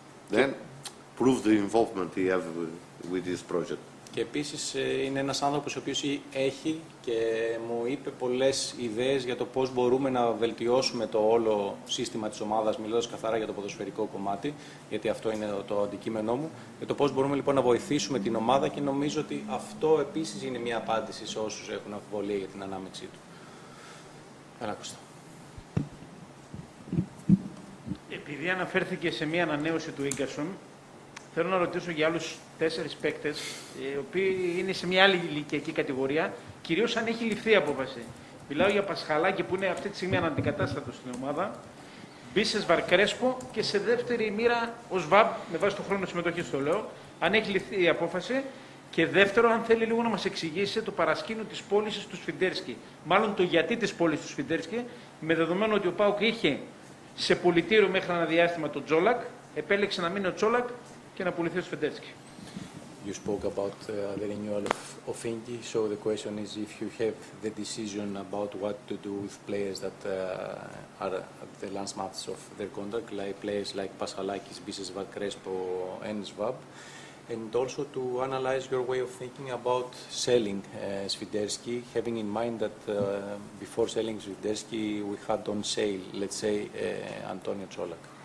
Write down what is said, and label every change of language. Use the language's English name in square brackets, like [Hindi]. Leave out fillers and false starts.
[English] Then prove the involvement he have with this project. [Greek] Και επίσης είναι ένας άνθρωπος ο οποίος έχει και μου είπε πολλές ιδέες για το πώς μπορούμε να βελτιώσουμε το όλο σύστημα της ομάδας, μιλώντας καθαρά για το ποδοσφαιρικό κομμάτι, γιατί αυτό είναι το αντικείμενό μου, για το πώς μπορούμε λοιπόν να βοηθήσουμε την ομάδα και νομίζω ότι αυτό επίσης είναι μια απάντηση σε όσους έχουν αμφιβολία για την ανάμειξή του. Καλά, ακούστε. Επειδή αναφέρθηκε σε μία ανανέωση του Ίγκασον, θέλω να ρωτήσω για άλλους 4 παίκτες, οι οποίοι είναι σε μία άλλη ηλικιακή κατηγορία, κυρίως αν έχει ληφθεί η απόφαση. Μιλάω για Πασχαλάκη, που είναι αυτή τη στιγμή αναντικατάστατο στην ομάδα, Μπίσες Βαρκρέσπο και σε δεύτερη μοίρα ο ΣΒΑΜ, με βάση το χρόνο συμμετοχή, το λέω, αν έχει ληφθεί η απόφαση. Και δεύτερο, αν θέλει λίγο να μας εξηγήσει το παρασκήνιο της πώλησης του Σφιντέρσκι. Μάλλον το γιατί της πώλησης του Σφιντέρσκι, με δεδομένο ότι ο ΠΑΟΚ είχε σε πολιτήριο μέχρι ένα διάστημα τον Τζόλακ, επέλεξε να μείνει ο Τζόλακ και να πουληθεί ο Σφιντέρσκι. [English] You spoke about the renewal of Ingi, so the question is if you have the decision about what to do with players that are at the last months of their contract, like players like Pasalakis, Bises Vakrespo and Svab. and also to analyze your way of thinking about selling Svidersky, having in mind that before selling Svidersky, we had on sale, let's say, Antonio Colak.